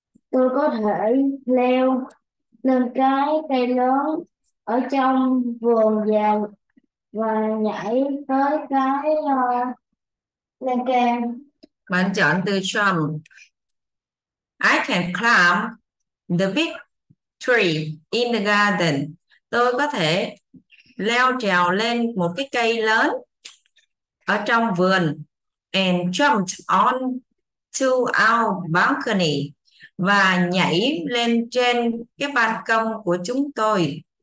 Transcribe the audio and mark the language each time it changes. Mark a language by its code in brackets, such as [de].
[vi] Tôi có thể leo lên cái cây lớn ở trong vườn vào và nhảy tới cái lan can. Bạn chọn từ Trump. [en] I can climb the big tree in the garden. [vi] Tôi có thể leo trèo lên một cái cây lớn ở trong vườn [en] and jumped on to our balcony [vi] và nhảy lên trên cái ban công của chúng tôi.